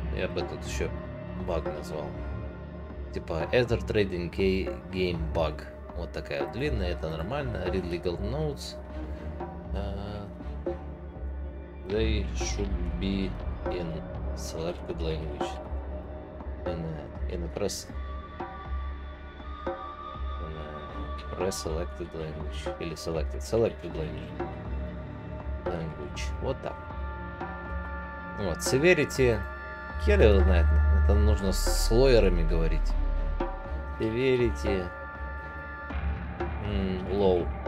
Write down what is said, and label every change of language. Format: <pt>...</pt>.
<ru>Я бы тут еще баг назвал. Типа Ether Trading Game Bug. Вот такая вот длинная, это нормально.</ru> <en>Read legal notes. They should be in selected language. In a press. In a preselected language.</en> <ru>Или selected.</ru> <en>Selected language. Language.</en> <ru>Вот так. Вот, severity. Хер его знает. Это нужно с лоерами говорить.</ru> <en>Severity. Low.</en>